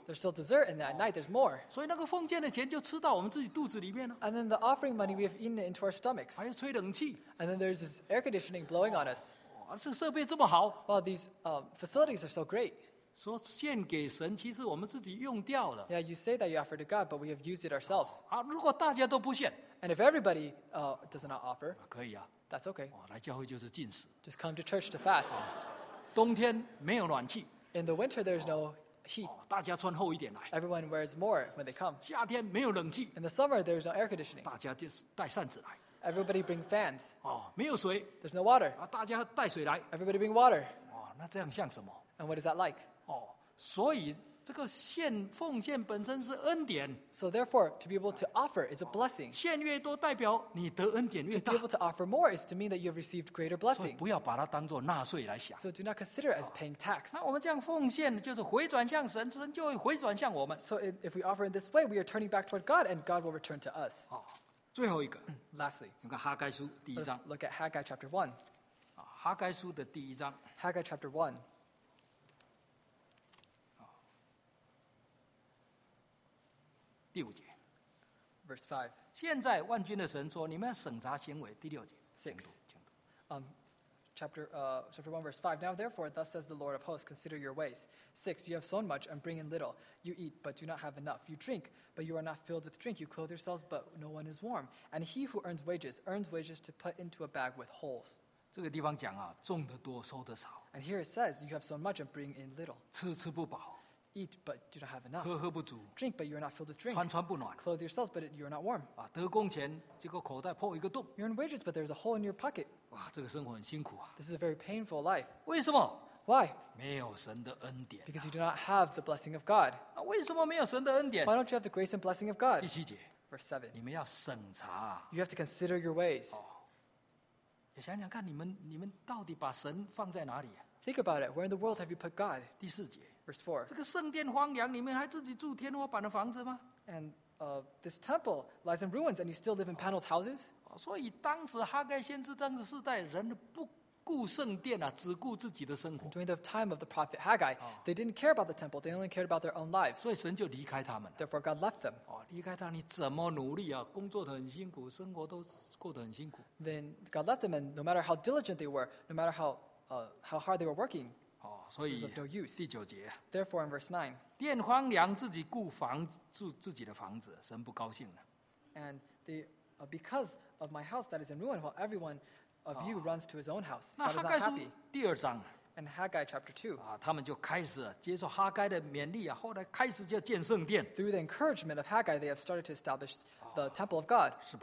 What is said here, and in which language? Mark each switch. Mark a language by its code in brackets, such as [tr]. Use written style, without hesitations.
[en] There's still dessert, and at night there's more. [zh] 所以那个奉献的钱就吃到我们自己肚子里面了。 [en] And then the offering money we have eaten into our stomachs. [zh] 还有吹冷气。 [en] And then there's this air conditioning blowing on us. [zh] 这设备这么好。 [en] Well, these facilities are so great. [zh] 说献给神，其实我们自己用掉了。 [en] Yeah, you say that you offer to God, but we have used it ourselves. [zh] 如果大家都不献。 [en] And if everybody does not offer, [zh] 可以啊, [en] that's okay. [zh] 来教会就是禁食。 [en] Just come to church to fast. [zh] 冬天没有暖气。 [en] In the winter, there's no heat. [zh] 大家穿厚一点来。 [en] Everyone wears more when they come. [zh] 夏天没有冷气。 [en] In the summer, there's no air conditioning. [zh] 大家就带扇子来。 [en] Everybody bring fans. [zh] 没有水。 [en] There's no water. [zh] 大家带水来。 [en] Everybody bring water. [zh] 那这样像什么？ [en] And what is that like? [zh] 所以这个献奉献本身是恩典。 [en] So therefore, to be able to offer is a blessing. [zh] 献越多代表你得恩典越大。 [en] To be able to offer more is to mean that you have received greater blessing. [zh] 所以不要把它当作纳税来想。 [en] So do not consider it as paying tax. [zh] 那我们这样奉献就是回转向神，神就会回转向我们。 [en] So if we offer in this way, we are turning back toward God and God will return to us. [zh] 最后一个。 [en] Lastly. [zh] 你看哈该书第一章。 [en] Let's look at Haggai chapter 1. [zh] 哈该书的第一章。 [en] Haggai chapter 1. [zh] 第五节 [en] Verse 5. [zh] 现在万军的神说你们要审查行为第六节 [en] 6. chapter 1, verse 5. Now therefore, thus says the Lord of hosts, consider your ways. 6, you have sown much and bring in little. You eat, but do not have enough. You drink, but you are not filled with drink. You clothe yourselves, but no one is warm. And he who earns wages to put into a bag with holes. [zh] 这个地方讲啊, 种得多, 收得少, [en] and here it says, you have sown much and bring in little. [zh] 吃不饱, [en] eat, but do not have enough. [zh] 喝不足, [en] drink, but you are not filled with drink. [zh] 穿不暖, [en] clothe yourselves, but you are not warm. [zh] 啊, 得工钱, 结果口袋破一个洞, [en] you earn wages, but there is a hole in your pocket. [zh] 哇, 这个生活很辛苦啊, [en] this is a very painful life. [zh] 为什么? [en] Why? [zh] 没有神的恩典啊, [en] because you do not have the blessing of God. [zh] 啊, 为什么没有神的恩典? [en] Why don't you have the grace and blessing of God? [zh] 第七节, [en] verse 7. [zh] 你们要审查, [en] you have to consider your ways. [zh] 哦, 想想看你们到底把神放在哪里啊? [en] Think about it. Where in the world have you put God? [zh] 第四节, [en] verse 4. [zh] 这个圣殿荒凉,你们还自己住天花板的房子吗? [en] And this temple lies in ruins and you still live in paneled houses? [zh] 所以当时哈该先知当时世代人不顾圣殿啊,只顾自己的生活。 [en] During the time of the prophet Haggai, they didn't care about the temple, they only cared about their own lives. [zh] 所以神就离开他们。 [en] Therefore God left them. [zh] 离开他你怎么努力啊,工作得很辛苦,生活都... [en] Then God left them, and no matter how diligent they were, no matter how hard they were working, it was of no use. [zh] 第九节, [en] therefore, in verse 9, [zh] 殿荒凉自己顾房,住自己的房子, 神不高兴了。 [en] And they, because of my house that is in ruin, while everyone of you runs to his own house, God is not happy. [zh] 第二章, [en] and Haggai chapter 2, [zh] 啊, 他们就开始接受哈该的勉励啊, [en] through the encouragement of Haggai, they have started to establish the temple of God.